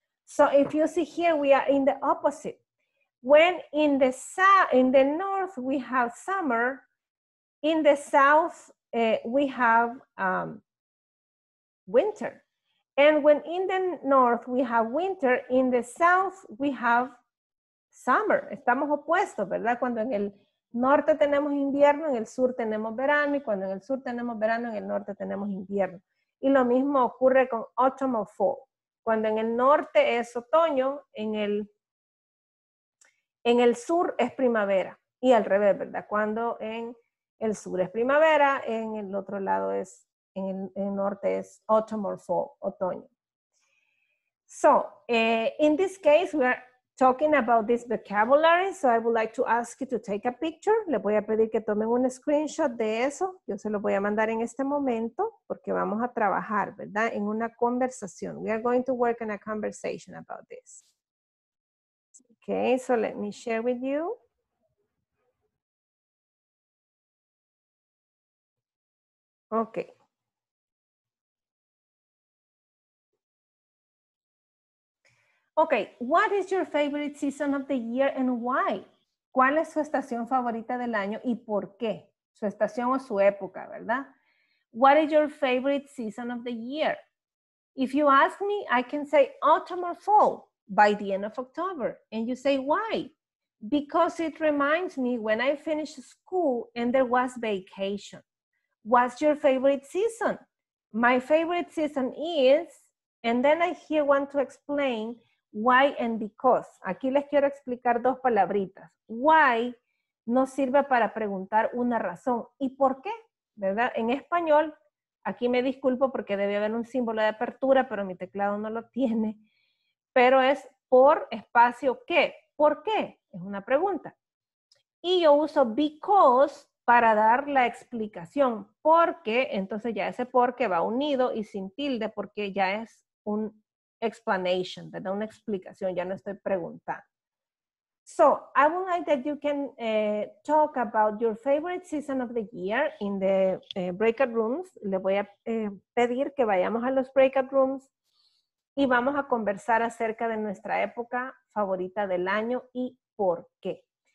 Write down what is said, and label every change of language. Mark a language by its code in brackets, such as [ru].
[en] So if you see here, we are in the opposite. When in the south, in the north, we have summer, in the south, we have winter. And when in the north, we have winter, in the south, we have summer. [es] Estamos opuestos, ¿verdad? Cuando en el norte tenemos invierno, en el sur tenemos verano, y cuando en el sur tenemos verano, en el norte tenemos invierno. Y lo mismo ocurre con autumn or fall. Cuando en el norte es otoño, en el sur es primavera. Y al revés, ¿verdad? Cuando en el sur es primavera, en el otro lado es, en el norte es autumn or fall, otoño. [en] So, in this case, we are talking about this vocabulary, so I would like to ask you to take a picture. [es] Le voy a pedir que tomen un screenshot de eso. Yo se lo voy a mandar en este momento porque vamos a trabajar, ¿verdad? En una conversación. [en] We are going to work in a conversation about this. Okay, so let me share with you. Okay. Okay, what is your favorite season of the year and why? [es] ¿Cuál es su estación favorita del año y por qué? Su estación o su época, ¿verdad? [en] What is your favorite season of the year? If you ask me, I can say autumn or fall by the end of October. And you say, why? Because it reminds me when I finished school and there was vacation. What's your favorite season? My favorite season is, and then I here want to explain why and because. [es] Aquí les quiero explicar dos palabritas. Why nos sirve para preguntar una razón. ¿Y por qué? ¿Verdad? En español, aquí me disculpo porque debe haber un símbolo de apertura, pero mi teclado no lo tiene. Pero es por espacio qué. ¿Por qué? Es una pregunta. Y yo uso because para dar la explicación. ¿Por qué? Entonces ya ese por qué va unido y sin tilde porque ya es un explanation, ¿verdad? Una explicación, ya no estoy preguntando. [en] So, I would like that you can talk about your favorite season of the year in the breakout rooms. [es] Le voy a pedir que vayamos a los breakout rooms y vamos a conversar acerca de nuestra época favorita del año y por qué.